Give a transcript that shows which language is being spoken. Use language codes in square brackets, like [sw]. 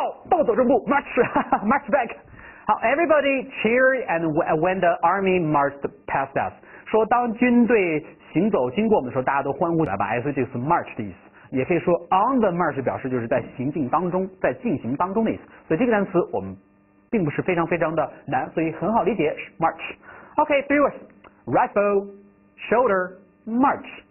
[zh] 倒走正步 ，march， 哈哈 [en] march back。好 ，everybody cheered and when the army marched past us， [zh] 说当军队。行走经过我们的时候大家都欢呼起来吧， S 就是 march 的意思，也可以说 [en] on the march [zh] 表示就是在行进当中，在进行当中的意思，所以这个单词我们并不是非常非常的难，所以很好理解 march。 [en] OK， three words， rifle， shoulder， march。